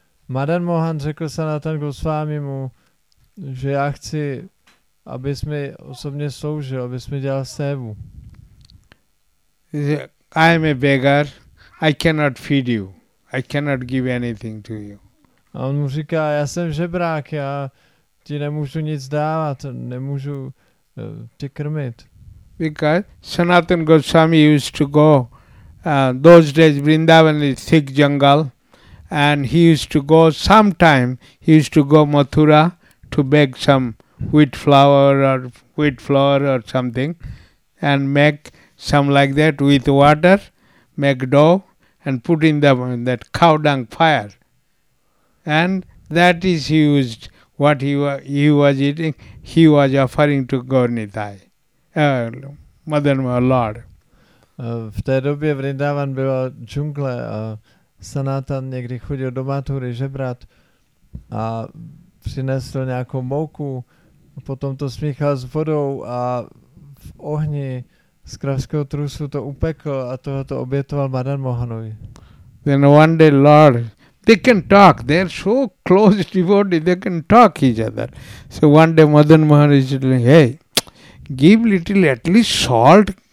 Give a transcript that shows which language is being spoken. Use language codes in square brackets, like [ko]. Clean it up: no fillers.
[cs] Madan Mohan řekl Sanatan Goswami mu, že já chci, abys mi osobně sloužil, abys mi dělal sevu. [en] I am a beggar. I cannot feed you. I cannot give anything to you. [cs] A on mu říká, já jsem žebrák, já ti nemůžu nic dávat, nemůžu tě krmit. [en] Because Sanatan Goswami used to go those days Vrindavan is thick jungle and he used to go sometime, he used to go Mathura to beg some wheat flour or something and make some like that with water, make dough and put in the that cow dung fire. And that is used what he was eating, he was offering to Gornithai, Madan Mohan, Lord. [cs] V té době Vrindavan byla džungle a Sanatan někdy chodil do Mathury žebrat a přinesl nějakou mouku, potom to smíchal s vodou a v ohni z kravského trusu to upekl a toho to obětoval Madan Mohanovi. [en] Then one day Lord, they can talk, they are so close devotees, they can talk each other. So one day Madan Mohan is saying, hey, give little, at least salt.